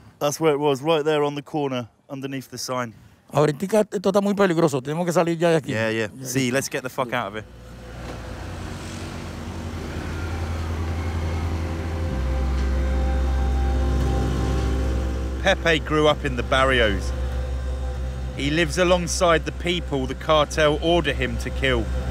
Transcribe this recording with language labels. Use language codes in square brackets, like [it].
[en] That's where it was, right there on the corner, underneath the sign. [es] Ahorita esto está muy peligroso, tenemos que salir ya de aquí. [en] Yeah, yeah. See, let's get the fuck out of it. Pepe grew up in the barrios. He lives alongside the people the cartel order him to kill.